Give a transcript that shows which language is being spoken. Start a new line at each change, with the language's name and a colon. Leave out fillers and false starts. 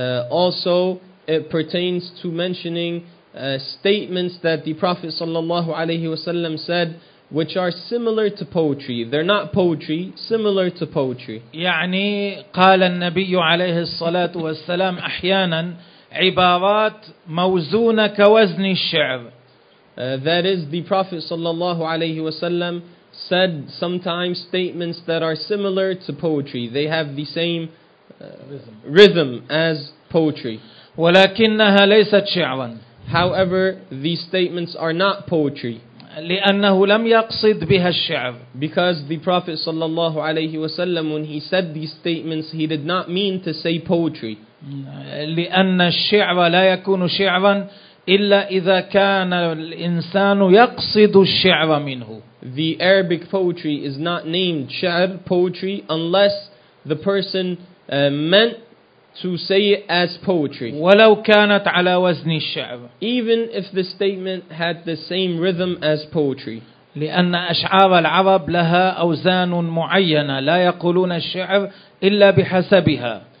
English: Also, it pertains to mentioning statements that the Prophet
Arabic: صلى الله عليه وسلم
English: said which are similar to poetry. They're not poetry, similar to poetry.
Arabic: يعني قال النبي عليه الصلاة والسلام أحيانا عبارات موزونة كوزن الشعر.
English: That is, the Prophet
Arabic: صلى الله عليه وسلم
English: said sometimes statements that are similar to poetry. They have the same rhythm as poetry.
Arabic: ولكنها ليست شعرا.
English: However, these statements are not poetry.
Arabic: لأنه لم يقصد بها الشعر.
English: Because the Prophet
Arabic: صلى الله عليه وسلم
English: when he said these statements he did not mean to say poetry.
Arabic: لأن الشعر لا يكون شعرا إلا إذا كان الإنسان يقصد الشعر منه.
English: The Arabic poetry is not named شعر poetry unless the person meant to say it as poetry.
Arabic: ولو كانت على وزن الشعر.
English: Even if the statement had the same rhythm as poetry.
Arabic: لأن أشعار العرب لها أوزان معينة لا يقولون الشعر إلا بحسبها.